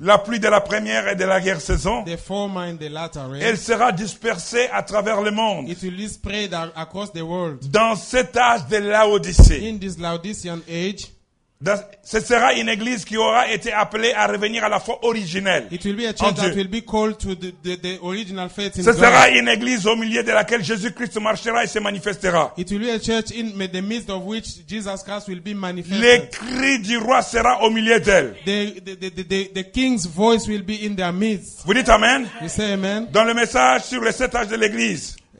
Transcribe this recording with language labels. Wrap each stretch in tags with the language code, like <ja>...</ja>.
<fr>La pluie de la première et de la guerre saison.</fr> <en>The former and the latter rain.</en> <fr>Elle sera dispersée à travers le monde.</fr> <en>It will be spread across the world.</en> <fr>Dans cet âge de Laodicée.</fr> <en>In this Laodicean age.</en> <fr>Ce sera une église qui aura été appelée à revenir à la foi originelle.</fr> <en>It will be a church that will be called to the original faith in</en> <fr>Ce</fr> <en>God.</en> <fr>Sera une église au milieu de laquelle Jésus-Christ marchera et se manifestera.</fr> <en>It will be a church in the midst of which Jesus Christ will be manifested.</en> <fr>Le cri du roi sera au milieu d'elle.</fr> <en>The king's voice will be in their midst.</en> <fr>Vous dites amen?</fr> <en>You say amen?</en> <fr>Dans le message sur les sept âges de l'église.</fr>